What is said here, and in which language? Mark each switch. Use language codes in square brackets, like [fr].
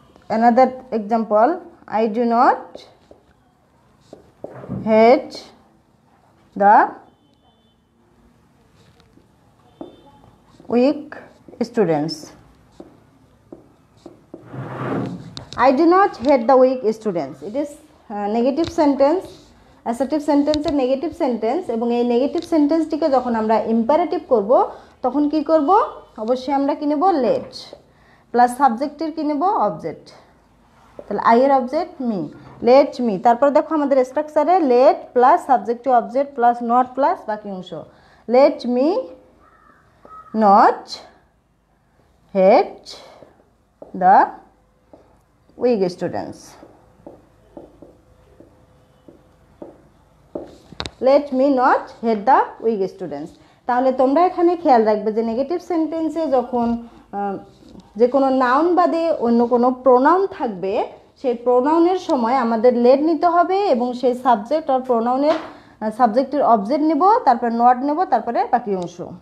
[en] Another example, I do not hate the weak students, I do not hate the weak students. It is negative sentence. Assertive sentence is negative sentence. [bn] এবং এই negative sentence টিকে যখন আমরা imperative করবো, তখন কি করবো? অবশ্যই আমরা কি নেবো? Let. Plus subject কি নেবো? [en] Object. [bn] তাহলে I এর object me. [en] Let me. [bn] তারপর দেখো আমাদের structure A let plus subject to object plus not plus বাকি অংশ. [en] Let me not hate the weak students. Let me not hate the weak students. [bn] তাহলে তোমরা এখানে খেয়াল রাখবে যে negative sentence এ যখন যে কোনো noun বাদে অন্য কোনো pronoun থাকবে, সেই প্রোনাউনের সময় আমাদের লেট নিতে হবে এবং সেই সাবজেক্ট আর প্রোনাউনের সাবজেক্টের অবজেক্ট নেব, তারপর নট নেব, তারপরে বাকি অংশ।